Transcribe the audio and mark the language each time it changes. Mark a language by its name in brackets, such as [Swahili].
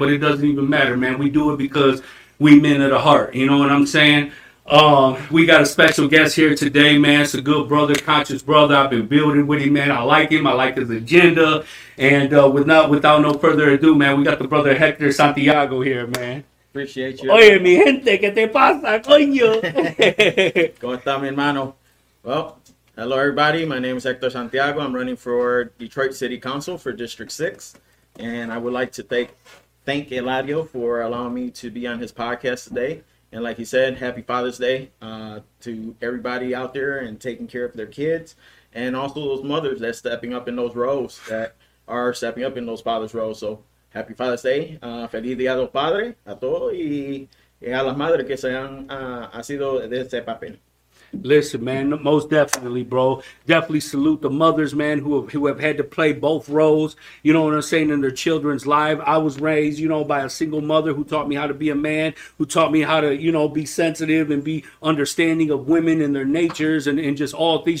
[English] But it doesn't even matter, man. We do it because we men of the heart. You know what I'm saying? We got a special guest here today, man. It's a good brother, conscious brother. I've been building with him, man. I like him. I like his agenda. And without no further ado, man, we got the brother Hector Santiago here, man. Appreciate you. [Spanish] Oye, mi gente, ¿qué te pasa, coño? ¿Cómo está, mi hermano? [English] Well, hello, everybody. My name is Hector Santiago. I'm running for Detroit City Council for District 6. And I would like to thank Eladio for allowing me to be on his podcast today. And like he said, happy Father's Day to everybody out there and taking care of their kids. And also those mothers that are stepping up in those father's roles. So happy Father's Day. [Spanish] Feliz Día de los Padres a todos y a las madres que se han sido de este papel. [English] Listen, man, most definitely, bro. Definitely salute the mothers, man, who have had to play both roles, you know what I'm saying, in their children's life. I was raised, you know, by a single mother who taught me how to be a man, who taught me how to, you know, be sensitive and be understanding of women and their natures and just all things.